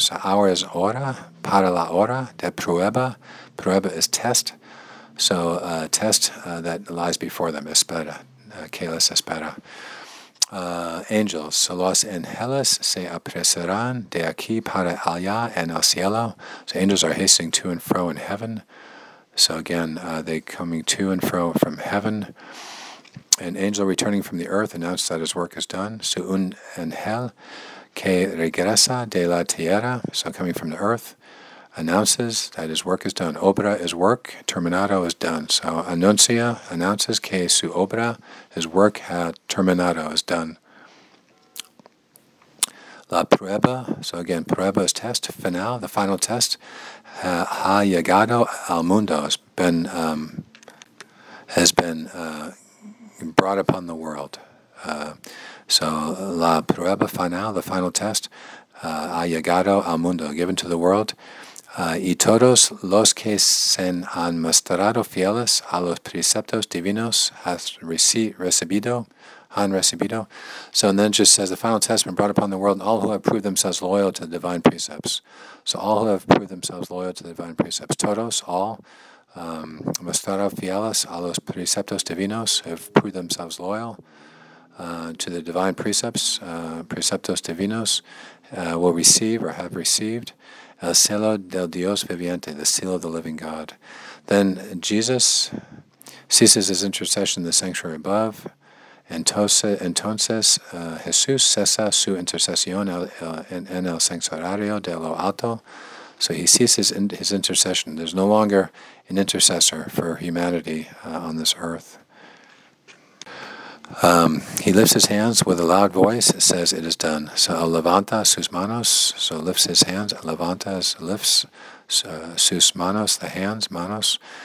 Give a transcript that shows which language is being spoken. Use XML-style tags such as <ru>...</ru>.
<en>So hour is hora,</en> <es>para la hora de prueba.</es> <en>Prueba is test. So test that lies before them.</en> <es>Espera, que les espera.</es> <en>Angels, so</en> <es>los angeles se apresurarán de aquí para allá en el cielo.</es> <en>So angels are hastening to and fro in heaven. So again, they coming to and fro from heaven. An angel returning from the earth announced that his work is done. So</en> <es>un angel que regresa de la tierra,</es> <en>so coming from the earth, announces that his work is done. Obra is work, terminado is done. So anuncia announces</en> <es>que su obra,</es> <en>his work</en> <es>ha terminado,</es> <en>is done.</en> <es>La prueba,</es> <en>so again, prueba is test, final, the final test,</en> <es>ha llegado al mundo,</es> <en>has been brought upon the world. So</en> <es>la prueba final,</es> <en>the final test,</en> <es>ha llegado al mundo,</es> <en>given to the world.</en> <es>Y todos los que se han mostrado fieles a los preceptos divinos has recibido han recibido.</es> <en>So, and then it just says, the final test has been brought upon the world, and all who have proved themselves loyal to the divine precepts. So all who have proved themselves loyal to the divine precepts. Todos, all.</en> <es>Mostrados fieles a los preceptos divinos,</es> <en>have proved themselves loyal to the divine precepts.</en> <es>Preceptos divinos</es> <en>will receive or have received</en> <es>el celo del Dios viviente,</es> <en>the seal of the living God. Then Jesus ceases his intercession in the sanctuary above.</en> <es>Entonces Jesús cesa su intercesión en el sanctuario de lo alto.</es> <en>So he ceases his intercession. There's no longer an intercessor for humanity on this earth. He lifts his hands with a loud voice. It says, it is done. So</en> <es>levanta sus manos.</es> <en>So lifts his hands. Levanta lifts</en> <es>sus manos,</es> <en>the hands, manos.</en>